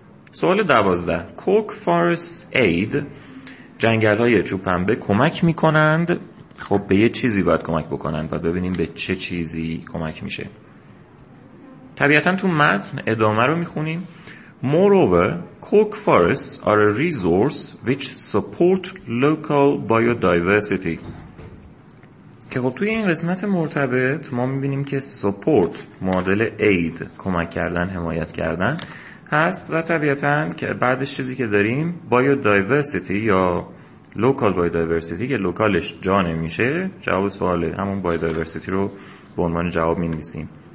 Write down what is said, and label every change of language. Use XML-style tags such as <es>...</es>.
<fa>سوال 12.</fa> <en>Cork Forest Aid.</en> <fa>جنگل های چوبپنبه کمک میکنند. خب به یه چیزی باید کمک بکنن، باید ببینیم به چه چیزی کمک میشه. طبیعتاً تو متن ادامه رو میخونیم.</fa> <en>Moreover, cork forests are a resource which support local biodiversity.</en> <fa>که خب توی این قسمت مرتبط ما میبینیم که support معادل aid، کمک کردن، حمایت کردن هست و طبیعتاً که بعدش چیزی که داریم biodiversity یا local biodiversity که لوکالش جا نمیشه جواب سواله، همون biodiversity رو به عنوان جواب می‌نویسیم.</fa>